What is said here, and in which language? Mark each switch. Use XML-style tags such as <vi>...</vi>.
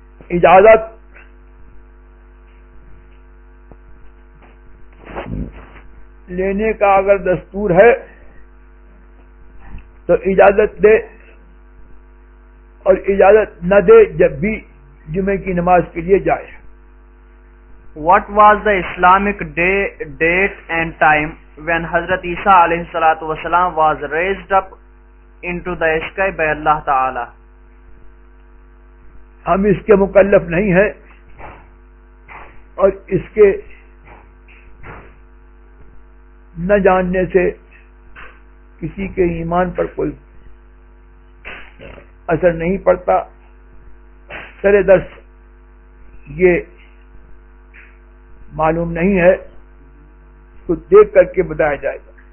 <ur>اجازت لینے کا اگر دستور ہے تو اجازت دے، اور اجازت نہ دے جب بھی جمعے کی نماز کے لیے جائے۔</ur> <en>What was the Islamic date and time when Hazrat Isa علیہ الصلوۃ والسلام was raised up into the sky by Allah تعالی؟</en> <ur>ہم اس کے مکلف نہیں ہیں اور اس کے نہ جاننے سے کسی کے ایمان پر کوئی اثر نہیں پڑتا۔ سرے دست یہ معلوم نہیں ہے، اس کو دیکھ کر کے بتایا جائے گا۔</ur>